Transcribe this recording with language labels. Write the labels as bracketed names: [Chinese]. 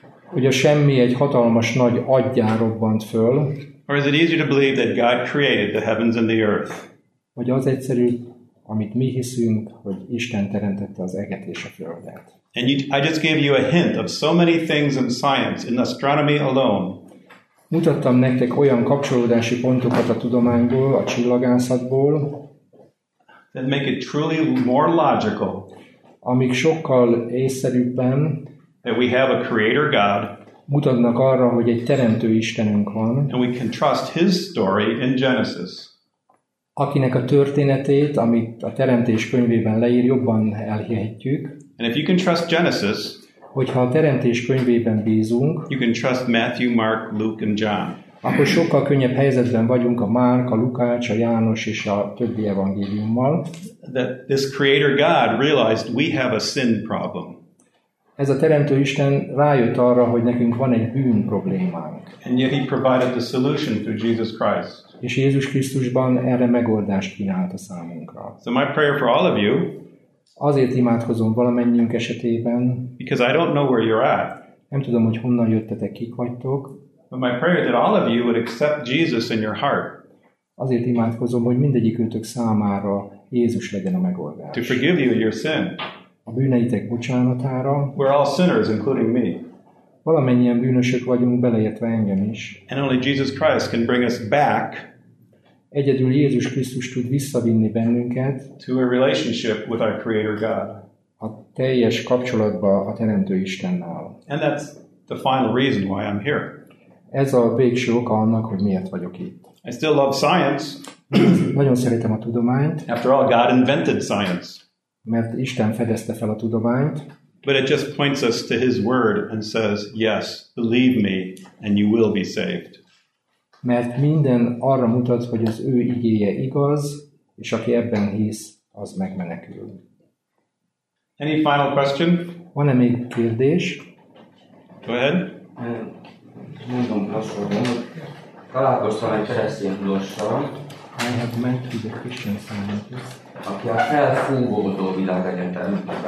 [Hungarian] Hogy a semmi egy hatalmas nagy aggyá robbant föl. [English] Or is it easier to believe that God created the heavens and the earth? [Hungarian] Vagy az egyszerű, amit mi hiszünk, hogy Isten teremtette az eget és a földet. [English] And I just gave you a hint of so many things in science, in astronomy alone. [Hungarian] Mutattam nektek olyan kapcsolódási pontokat a tudományból, a csillagászatból, [English] that make it truly more logical, [Hungarian] amik sokkal észszerűbben [English] that we have a creator God, [Hungarian] mutatnak arra, hogy egy teremtő Istenünk van, [English] and we can trust his story in Genesis. [Hungarian] Akinek a történetét, amit a Teremtés könyvében leír, jobban elhihetjük. [English] And if you can trust Genesis, [Hungarian] hogyha a Teremtés könyvében bízunk, [English] you can trust Matthew, Mark, Luke and John. [Hungarian] Akkor sokkal könnyebb helyzetben vagyunk a Márk, a Lukács, a János és a többi evangéliummal. [English] That this creator God realized we have a sin problem. [Hungarian] Ez a Teremtő Isten rájött arra, hogy nekünk van egy bűn problémánk. [English] And yet he provided the solution through Jesus Christ. [Hungarian] És Jézus Krisztusban erre megoldást kínált a számunkra. [English] So my prayer for all of you, [Hungarian] azért imádkozom valamennyiünk esetében, [English] because I don't know where you're at. [Hungarian] Nem tudom, hogy honnan jöttetek, kik vagytok. [English] But my prayer that all of you would accept Jesus in your heart. [Hungarian] Azért imádkozom, hogy mindegyikőtök számára Jézus legyen a megoldás. [English] To forgive you your sin. [Hungarian] A bűneitek bocsánatára. [English] We're all sinners, including me. [Hungarian] Valamennyien bűnösök vagyunk, beleértve engem is. [English] And only Jesus Christ can bring us back. [Hungarian] Egyedül Jézus Krisztus tud visszavinni bennünket [English] to a relationship with our creator God. [Hungarian] A teljes kapcsolatba a Teremtő Istennel. [English] And that's the final reason why I'm here. [Hungarian] Ez a végső oka annak, hogy miért vagyok itt. [English] I still love science. [Hungarian] Nagyon szeretem a tudományt. [English] After all, God invented science. [Hungarian] Mert Isten fedezte fel a tudományt. [English] But it just points us to his word and says, yes, believe me and you will be saved. [Hungarian] Mert minden arra mutat, hogy az ő igéje igaz, és aki ebben hisz, az megmenekül. [English] Any final question? [Hungarian] Van-e még kérdés? [English] Go ahead. [Hungarian] Mondom, találkoztam egy keresztény tudossal. [English] I have met with a Christian scientist. [Hungarian] Aki a felfúvódó világegyetemben